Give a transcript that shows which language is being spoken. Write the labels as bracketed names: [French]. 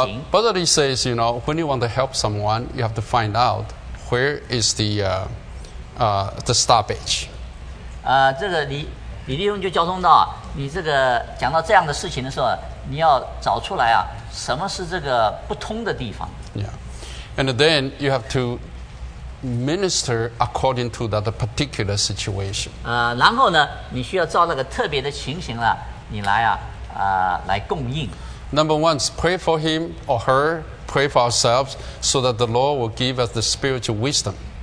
[English] Brother Lee says, you know, when you want to help someone, you have to find out where is the stoppage. [Chinese] 这个李立勇就交通到，你这个讲到这样的事情的时候，你要找出来啊，什么是这个不通的地方。 [English] Yeah, and then you have to minister according to that particular situation. [Chinese] 然后呢，你需要照那个特别的情形了，你来啊，来供应。 [English] Number one is pray for him or her, pray for ourselves, so that the Lord will give us the spiritual wisdom.